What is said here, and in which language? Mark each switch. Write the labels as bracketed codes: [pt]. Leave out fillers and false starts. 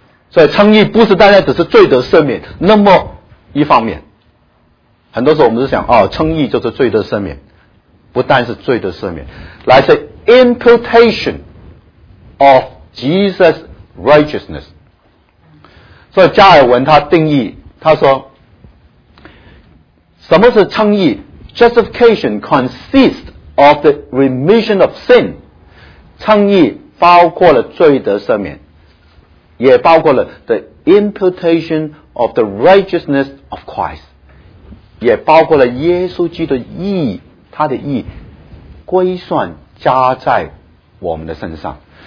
[zh] 所以称义不是单单只是罪得赦免那么一方面，很多时候我们是想哦，称义就是罪得赦免，不但是罪得赦免，来自 [en] imputation of Jesus righteousness。 [zh] 所以加尔文他定义，他说什么是称义？ [en] Justification consists of the remission of sin。 [zh] 称义包括了罪得赦免，也包括了 [en] the imputation of the righteousness of Christ， [zh] 也包括了耶稣基督的义，他的义归算加在我们的身上。